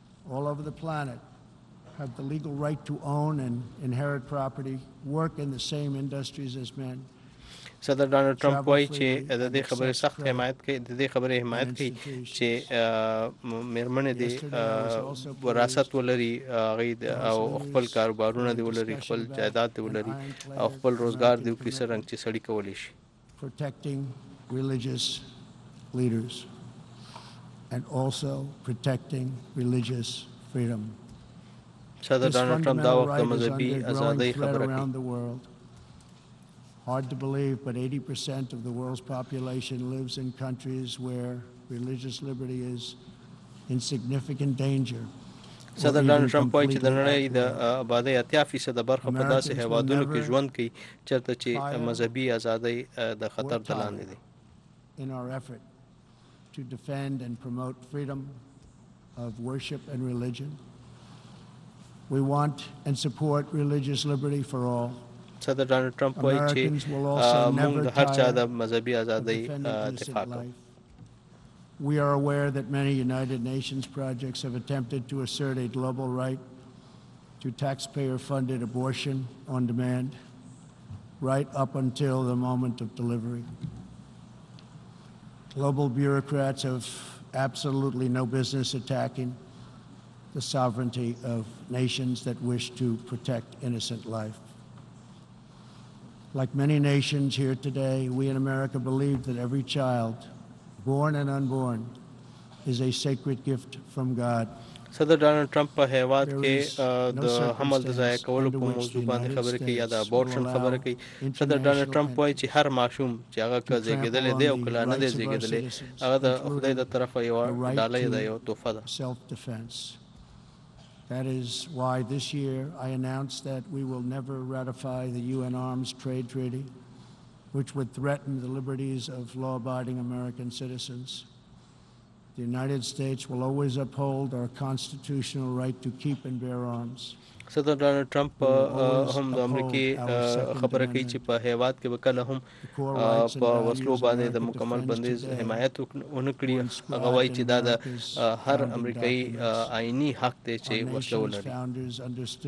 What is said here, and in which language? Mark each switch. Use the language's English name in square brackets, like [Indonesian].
[English] all over the planet have the legal right to own and inherit property, work in the same industries as men. [Pashto] صدر ډونالډ ټرمپ وایي چې د دې خبرې سخت حمایت کوي، د دې خبرې حمایت کوي چې میرمنې دې وراثت ولري، هغه او خپل کاروبارونه دې ولري، خپل جایداد دې ولري او خپل روزګار دې وکړي سرنګ چې سړی کولی شي. [English] Protecting religious leaders and also protecting religious freedom. [Pashto] صدر ډونالډ ټرمپ دا وخت د مذهبي ازادۍ خبره کوي. [English] Hard to believe but 80% of the world's population lives in countries where religious liberty is in significant danger. [Pashto] صدر ډونالډ ټرمپ وایي چې د نړۍ د آبادۍ 80% برخه په داسې هیوادونو کې ژوند کوي چېرته چې مذهبي ازادۍ د خطر تر لاندې دي. [English] To defend and promote freedom, of worship and religion. We want and support religious liberty for all. [Pashto] صدر ڈونلڈ ٹرمپ وایي چې موږ د هر چا د مذهبي ازادۍ دفاع کوو. [English] We are aware that many United Nations projects have attempted to assert a global right to taxpayer-funded abortion on demand, right up until the moment of delivery. Global bureaucrats have absolutely no business attacking the sovereignty of nations that wish to protect innocent life. Like many nations here today, we in America believe that every child, born and unborn, is a sacred gift from God. [Pashto] صدر ڈونلڈ ٹرمپ په هیواد کې د حمل د ځای کولو په موضوع باندې خبرې کوي یا د ابورشن خبرې کوي. صدر ډونلډ ټرمپ وایي چې هر ماشوم چې هغه که زیږیدلی دی او کلا نه دی زیږیدلی هغه د خدای د طرفه یوه ډالۍ ده، یوه تحفه ده. [English] That is why this year I announced that we will never ratify the UN arms trade treaty, which would threaten the liberties of law-abiding American citizens. The United States will always uphold our constitutional right to keep and bear arms. [Pashto] صدر ډونلډ ټرمپ هم د امریکای خبره کوي چې په هیواد کې به کله هم په وسلو باندې د مکمل بندیز حمایت ونه کړي. هغه وایي چې دا د هر امریکایي آئینی حق دی چې وسلو